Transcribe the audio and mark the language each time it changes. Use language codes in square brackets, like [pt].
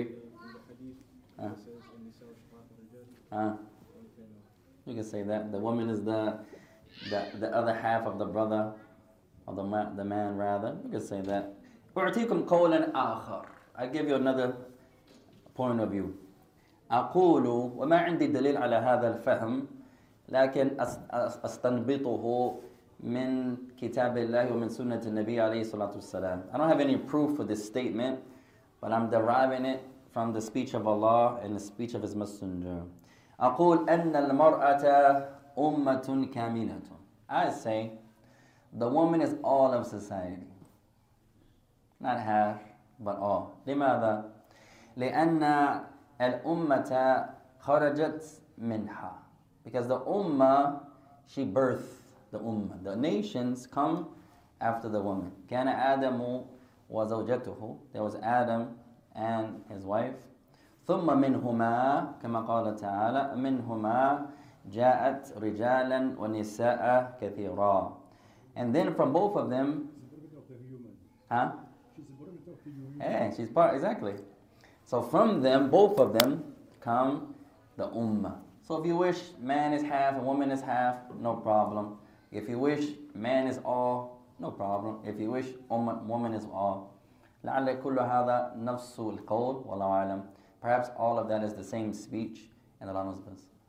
[en] In the hadith, it says, in the self-spot, you can say that. The woman is the other half of the brother, or the man rather. You can say that. [ar] U'tikum qawlan akhar. [en] I give you another point of view. [ar] أقول وما عندي دليل على هذا الفهم لكن أستنبطه من كتاب الله ومن سنة النبي عليه الصلاة والسلام. [en] I don't have any proof for this statement, but I'm deriving it from the speech of Allah and the speech of His Messenger. [ar] أقول أن المرأة أمة كاملة. [en] I say the woman is all of society, not half but all. [ar] لماذا؟ لأن الأمّة خرجت منها. [en] Because the Ummah, she birthed the Ummah. The nations come after the woman. [ar] كان آدم وزوجته. [en] There was Adam and his wife. [ar] ثم منهما كما قال تعالى منهما جاءت رجالا ونساء كثيرا. [en] And then from both of them, she's the product of the human. Yeah, she's part, exactly. So from them, both of them, come the ummah. So if you wish man is half and woman is half, no problem. If you wish man is all, no problem. If you wish woman is all, [ar] لعل كل هذا نفس القول والله أعلم. [en] Perhaps all of that is the same speech in the Lama's verse.